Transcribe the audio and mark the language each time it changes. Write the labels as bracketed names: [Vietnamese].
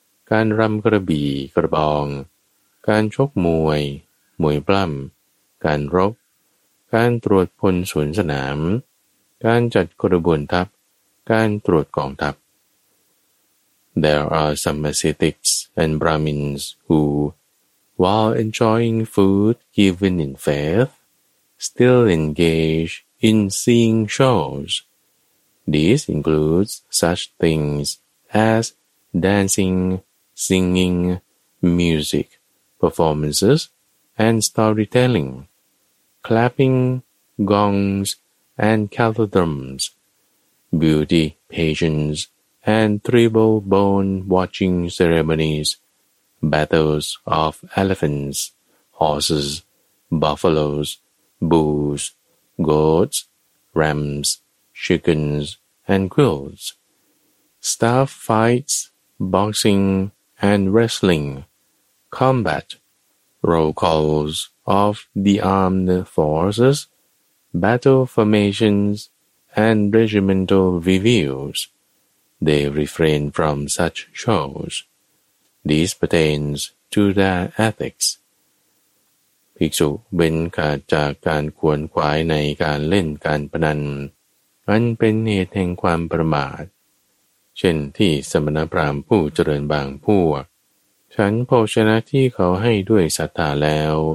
[Thai] การรำกระบี่กระบองการชกมวยมวยปล้ำการรบการตรวจพลสวนสนามการจัดกระบวนทัพการตรวจกองทัพ [English] There are some ascetics and Brahmins who, while enjoying food given in faithstill engage in seeing shows. This includes such things as dancing, singing, music, performances, and storytelling, clapping, gongs, and kettledrums, beauty pageants, and tribal bone watching ceremonies, battles of elephants, horses, buffaloes,bulls, goats, rams, chickens, and quills, staff fights, boxing and wrestling, combat, roll calls of the armed forces, battle formations, and regimental reviews. They refrain from such shows. This pertains to their ethics. [Thai] ภิกษุเว้นขาดจากการขวนขวายในการเล่นการพนันอันเป็นเหตุแห่งความประมาทเช่นที่สมณพราหมณ์ผู้เจริญบางพวกฉันโภชนะที่เขาให้ด้วยศรัทธาแล้ว